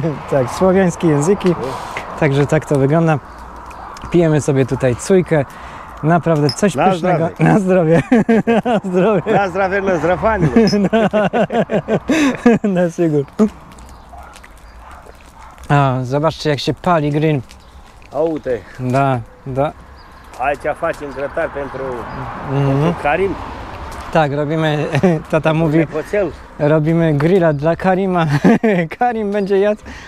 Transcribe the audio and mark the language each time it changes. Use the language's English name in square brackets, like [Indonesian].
[Polish] Tak, słowiańskie języki. Także tak to wygląda. Pijemy sobie tutaj cujkę. Naprawdę coś na pysznego. Zdrowie. Na zdrowie. Na zdrowie. Na zdrowie, na zdrowanie. [Romanian] Na sigur. [Polish] A, zobaczcie, jak się pali green. Aute. [Romanian] Da, da. Aici facem grătar pentru Karim. [Polish] Tak, robimy, tata mówi, robimy grilla dla Karima. Karim będzie jadł.